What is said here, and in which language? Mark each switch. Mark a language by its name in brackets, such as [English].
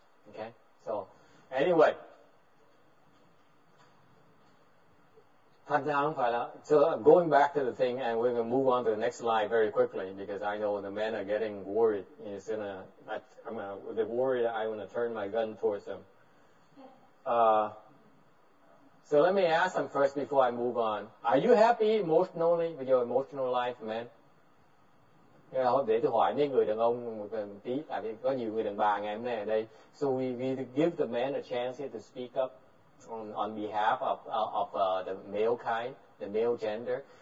[English] Okay, so anyway, [Vietnamese] thành ra không phải là, [English] so going back to the thing, and we're gonna move on to the next slide very quickly because I know the men are getting worried. It's gonna, I'm gonna, they're worried. I'm gonna turn my gun towards them. So let me ask them first before I move on. Are you happy emotionally with your emotional life, man? [Vietnamese] Yeah, để tôi hỏi mấy người đàn ông một tí, tại vì có nhiều người đàn bà ngày hôm nay ở đây. [English] So we give the man a chance here to speak up on behalf of the male kind, the male gender.